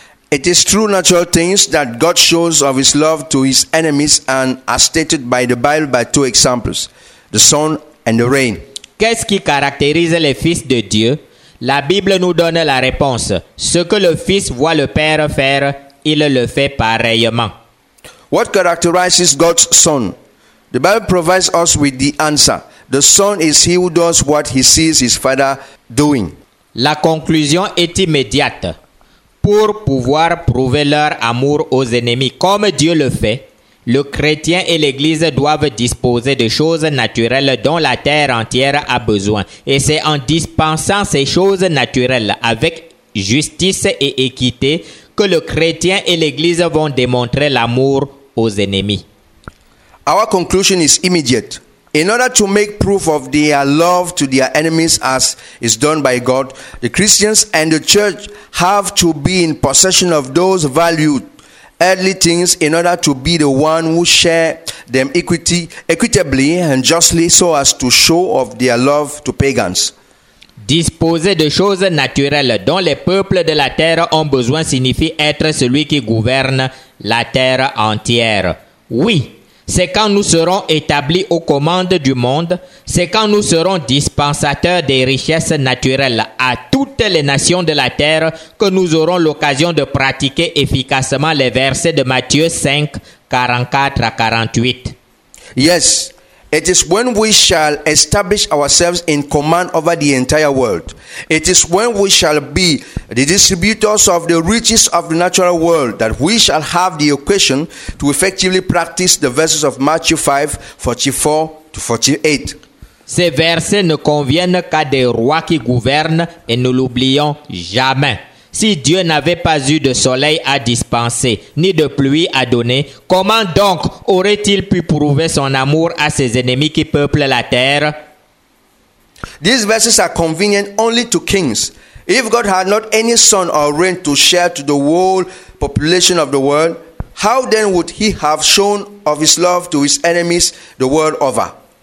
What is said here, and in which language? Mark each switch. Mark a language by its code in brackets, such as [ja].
[en] It is through natural things that God shows of his love to his enemies and as stated by the Bible by two examples, the sun and the rain. [fr] Qu'est-ce qui caractérise les fils de Dieu? La Bible nous donne la réponse. Ce que le fils voit le père faire, il le fait pareillement. [en] What characterizes God's son? The Bible provides us with the answer. The son is he who does what he sees his father doing. [fr] La conclusion est immédiate. Pour pouvoir prouver leur amour aux ennemis comme Dieu le fait, le chrétien et l'Église doivent disposer de choses naturelles dont la terre entière a besoin. Et c'est en dispensant ces choses naturelles avec justice et équité que le chrétien et l'Église vont démontrer l'amour aux ennemis. [en] Our conclusion is immediate. In order to make proof of their love to their enemies as is done by God, the Christians and the church have to be in possession of those valued earthly things in order to be the one who share them equitably and justly so as to show of their love to pagans. [fr] Disposer de choses naturelles dont les peuples de la terre ont besoin signifie être celui qui gouverne la terre entière. Oui. C'est quand nous serons établis aux commandes du monde, c'est quand nous serons dispensateurs des richesses naturelles à toutes les nations de la terre que nous aurons l'occasion de pratiquer efficacement les versets de Matthieu 5, 44 à 48. [en] Yes, it is when we shall establish ourselves in command over the entire world. It is when we shall be the distributors of the riches of the natural world that we shall have the occasion to effectively practice the verses of Matthew 5, 44 to 48. [fr] Ces versets ne conviennent qu'à des rois qui gouvernent et ne l'oublions jamais. Si Dieu n'avait pas eu de soleil à dispenser, ni de pluie à donner, comment donc aurait-il pu prouver son amour à ses ennemis qui peuplent la terre? [en] These verses are convenient only to kings. If God had not any sun or rain to share to the whole population of the world, how then would he have shown of his love to his enemies the world over?